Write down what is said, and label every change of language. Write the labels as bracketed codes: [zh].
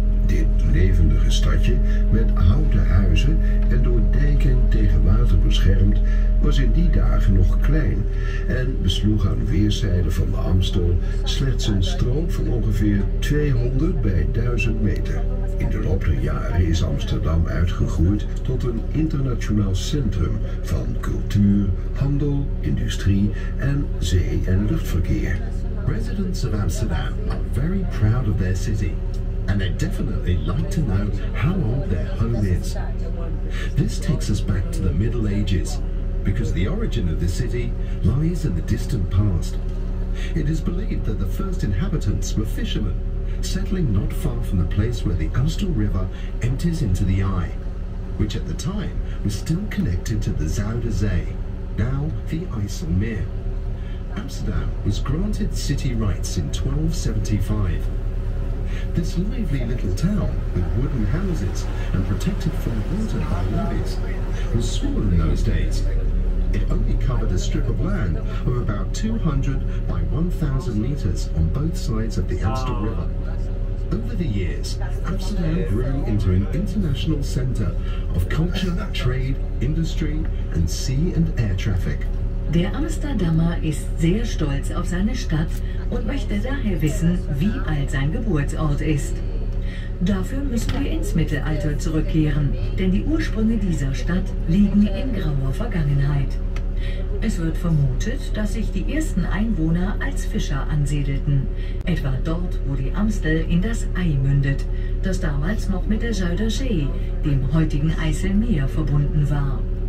[nl] Dit levendige stadje met houten huizen en door dijken tegen water beschermd was in die dagen nog klein en besloeg aan weerszijden van de Amstel slechts een strook van ongeveer 200 bij 1000 meter. In de loop der jaren is Amsterdam uitgegroeid tot een internationaal centrum van cultuur, handel, industrie en zee- en luchtverkeer. [en] Residents of Amsterdam are very proud of their city. And they definitely like to know how old their home is. This takes us back to the Middle Ages, because the origin of the city lies in the distant past. It is believed that the first inhabitants were fishermen, settling not far from the place where the Amstel River empties into the Y, which at the time was still connected to the Zuiderzee, now the IJsselmeer. Amsterdam was granted city rights in 1275. This lively little town, with wooden houses and protected from water by levees, was small in those days. It only covered a strip of land of about 200 by 1,000 meters on both sides of the Amstel River. Over the years, Amsterdam grew into an international center of culture, trade, industry, and sea and air traffic. [de] Der Amsterdamer ist sehr stolz auf seine Stadt und möchte daher wissen, wie alt sein Geburtsort ist. Dafür müssen wir ins Mittelalter zurückkehren, denn die Ursprünge dieser Stadt liegen in grauer Vergangenheit. Es wird vermutet, dass sich die ersten Einwohner als Fischer ansiedelten, etwa dort, wo die Amstel in das Ei mündet, das damals noch mit der Zuiderzee, dem heutigen IJsselmeer, verbunden war.